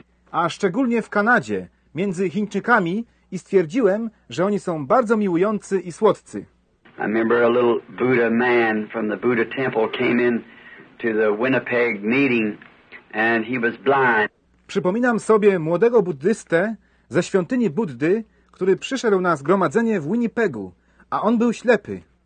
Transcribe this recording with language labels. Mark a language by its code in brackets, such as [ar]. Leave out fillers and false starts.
[pl] A szczególnie w Kanadzie, między Chińczykami, i stwierdziłem, że oni są bardzo miłujący i słodcy. [en] I remember a little Buddha man from the Buddha temple came in to the Winnipeg meeting and he was blind. [pl] Przypominam sobie młodego buddystę ze świątyni Buddy, który przyszedł na zgromadzenie w Winnipegu, a on był ślepy.